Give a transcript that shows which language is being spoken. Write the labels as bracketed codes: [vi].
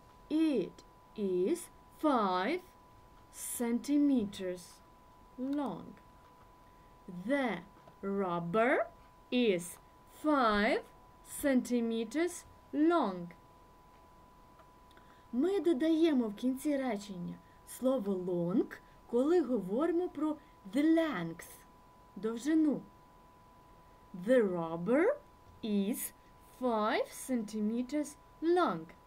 [en] It is 5 centimeters long. The rubber is 5 centimeters long. [uk] Ми додаємо в кінці речення слово long, коли говоримо про [en] the length, [uk] довжину. [en] The rubber is 5 centimeters long.